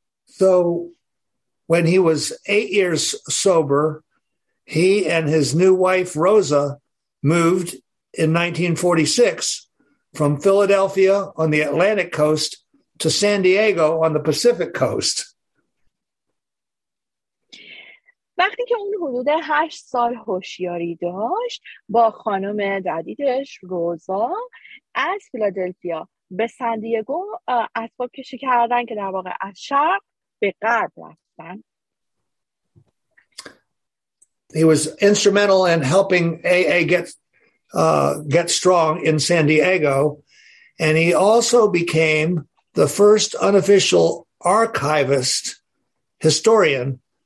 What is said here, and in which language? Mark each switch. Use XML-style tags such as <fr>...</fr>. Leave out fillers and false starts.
<en>So when he was 8 years sober, he and his new wife Rosa moved in 1946 from Philadelphia on the Atlantic coast to San Diego on the Pacific coast.</en> <fa>وقتی که اون حدود 8 سال هوشیاری داشت، با خانم جدیدش روزا از فیلادلفیا به سان دیگو اسباب کشی کردن که در واقع از شرق به غرب رفتن.</fa> <en>He was instrumental in helping AA get strong in San Diego, and he also became the first unofficial archivist historian.</en>